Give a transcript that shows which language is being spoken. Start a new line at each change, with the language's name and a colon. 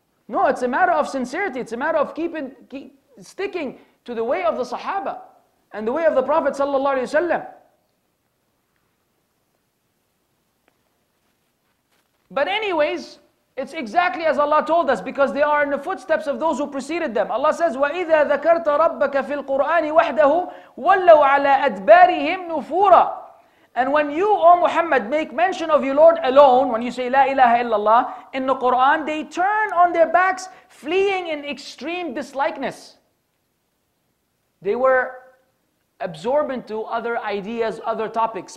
English: No, it's a matter of sincerity. It's a matter of sticking to the way of the Sahaba and the way of the Prophet sallallahu alaihi wasallam. But anyways, it's exactly as Allah told us, because they are in the footsteps of those who preceded them. Allah says,
Arabic: وَإِذَا ذَكَرْتَ رَبَّكَ فِي الْقُرْآنِ وَحْدَهُ وَلَّوْا عَلَىٰ أَدْبَارِهِمْ نُفُورًا.
English: And when you, O Muhammad, make mention of your Lord alone, when you say La ilaha illallah in the Quran, they turn on their backs, fleeing in extreme dislikeness. They were absorbent to other ideas, other topics.